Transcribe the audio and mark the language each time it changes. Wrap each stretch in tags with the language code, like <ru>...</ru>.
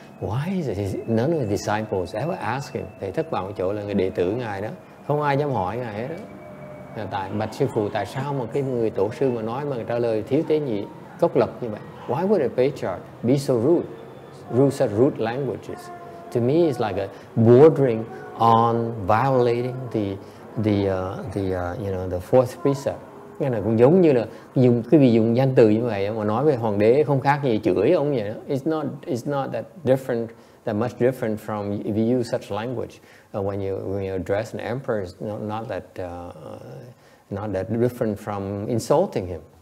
<en>Why is it none of the disciples ever ask him?</en> <vi>Thầy thất vọng chỗ là người đệ tử ngài đó, không ai dám hỏi ngài hết đó. Tại bạch sư phụ, tại sao mà cái người tổ sư mà nói mà trả lời thiếu tế nhị cốc lập như vậy?</vi> <en>Why would a patriarch be so rude? Rude such rude languages. To me, it's like a bordering on violating the fourth precept.</en> <vi>Nghe là cũng giống như là dùng cái vị dùng danh từ như vậy mà nói về hoàng đế không khác gì chửi ông vậy đó.</vi> <en>It's not that different, that much different from if you use such language. When you address an emperor, it's not that different from insulting him.</en>